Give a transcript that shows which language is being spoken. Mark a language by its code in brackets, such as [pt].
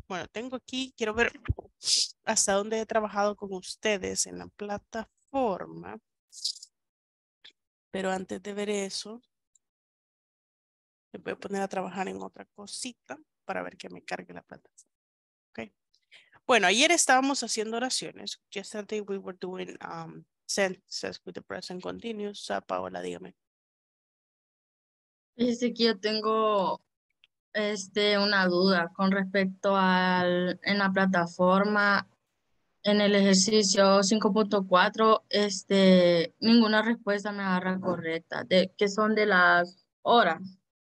[es] Bueno, tengo aquí, quiero ver hasta dónde he trabajado con ustedes en la plataforma. Pero antes de ver eso, me voy a poner a trabajar en otra cosita para ver que me cargue la plataforma. Okay. Bueno, ayer estábamos haciendo oraciones. [en] Yesterday we were doing sentences with the present continuous. [es] Paola, dígame. Dice que yo tengo una duda con respecto al en la plataforma, en el ejercicio 5.4, ninguna respuesta me agarra correcta, de que son de las horas.